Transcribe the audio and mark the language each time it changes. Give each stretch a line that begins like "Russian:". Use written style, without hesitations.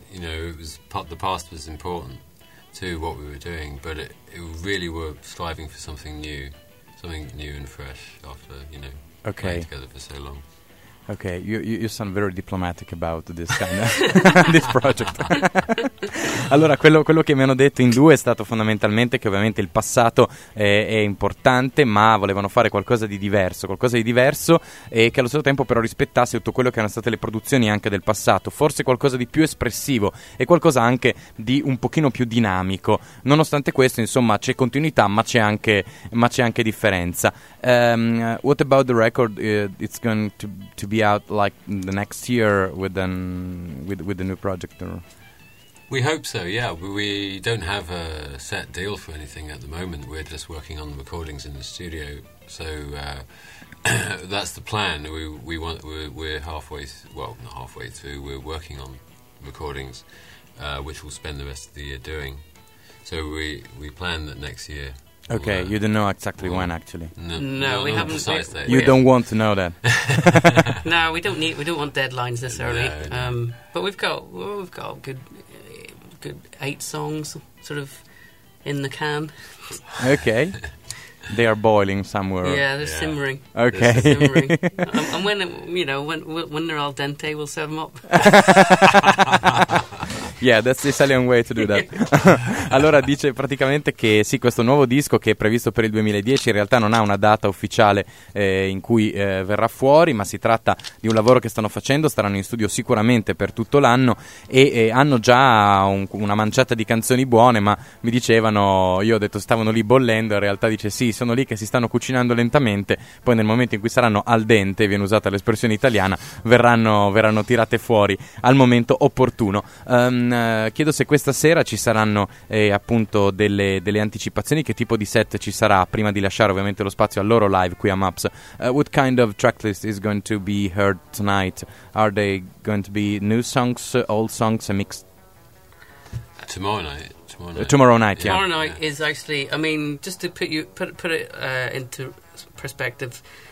English: You know, it was the past was important to what we were doing, but it really were striving for something new and fresh after, you know. Okay. Together for so long. Okay, you sound very diplomatic about this kind of this project.
Italian: Allora, quello che mi hanno detto in due è stato fondamentalmente che ovviamente il passato è importante, ma volevano fare qualcosa di diverso e che allo stesso tempo però rispettasse tutto quello che erano state le produzioni anche del passato, forse qualcosa di più espressivo e qualcosa anche di un pochino più dinamico. Nonostante questo, insomma, c'è continuità, ma c'è anche differenza.
English: What about the record? It's going to be out like the next year with the new project? Or? We hope so, yeah. We don't have a set deal for anything at the moment. We're just working on the recordings in the studio, so that's the plan. We're not halfway through, we're working on recordings which we'll spend the rest of the year doing. So we plan that next year. Okay, you don't know exactly when, actually. No, we haven't. You don't want to know that. No, we don't want deadlines this early. But we've got good 8 songs sort of in the can. Okay. They are boiling somewhere. Yeah, they're simmering. Okay. And when they're al dente, we'll serve them up. Yeah, that's the Italian way to do that.
Italian: Allora dice praticamente che sì, questo nuovo disco che è previsto per il 2010 in realtà non ha una data ufficiale in cui verrà fuori, ma si tratta di un lavoro che stanno facendo, staranno in studio sicuramente per tutto l'anno e hanno già una manciata di canzoni buone, ma mi dicevano, io ho detto stavano lì bollendo, in realtà dice sì, sono lì che si stanno cucinando lentamente, poi nel momento in cui saranno al dente, viene usata l'espressione italiana, verranno tirate fuori al momento opportuno. Chiedo se questa sera ci saranno appunto delle anticipazioni, che tipo di set ci sarà prima di lasciare ovviamente lo spazio al loro live qui a MAPS.
English: What kind of tracklist is going to be heard tonight? Are they going to be new songs, old songs, a mix? Tomorrow night. Yeah. Tomorrow night, yeah. Is actually, I mean, just to put it into perspective.